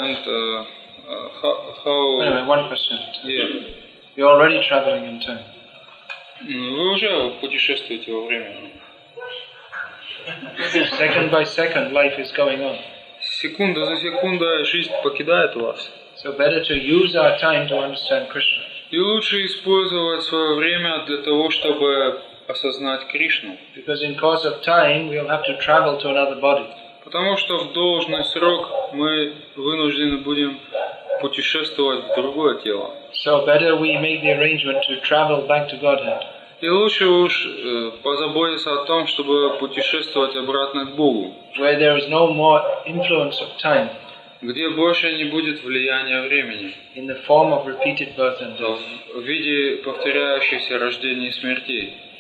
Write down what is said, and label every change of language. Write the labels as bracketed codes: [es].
[en] How? Anyway, one question. Yeah. You're already traveling in time. [ru] Вы уже путешествуете во времени. [en] Second by second, life is going on. [ru] Секунда за секундой жизнь покидает вас. [en] So better to use our time to understand Krishna. [ru] И лучше использовать свое время для того, чтобы осознать Кришну. [en] Because in course of time, we'll have to travel to another body. [ru] Потому что в должный срок мы вынуждены будем путешествовать в другое тело. [en] So better we make the arrangement to travel back to Godhead. [ru] И лучше уж позаботиться о том, чтобы путешествовать обратно к Богу. [en] Where there is no more influence of time. [ru] Где больше не будет влияния времени. [en] In the form of repeated birth and death. [ru] В виде повторяющихся рождений и смертей.